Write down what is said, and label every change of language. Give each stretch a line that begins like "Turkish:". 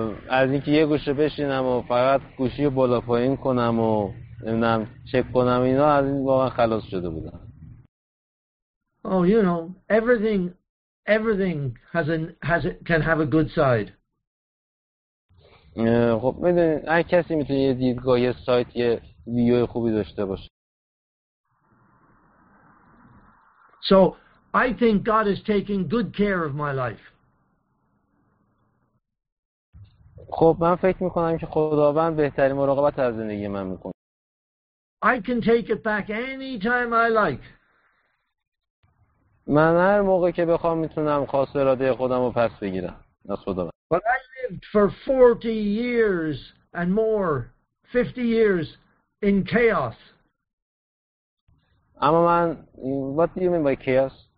Persian: از اینکه یه گوشه بشینم و فقط گوشی رو بالا پایین کنم و نمیدونم چک کنم اینا، از این واقعا خلاص شده بودم.
English: Oh, you know, everything can have a good side.
Persian: خب میدونید هر کسی میتونه یه دیدگاه، یه سایت، یه ویدیو خوبی داشته باشه.
English: So, I think God is taking good care of my life.
Persian: خب من فکر میکنم که خداوند بهترین مراقبت از زندگی من میکنه.
English: I can take it back anytime I like.
Persian: من هر موقع که بخوام میتونم خواست اراده خودم رو پس بگیرم از خداوند.
English: But I lived for 40 years and more, 50 years in chaos.
Persian: اما من,
English: what do you mean by chaos?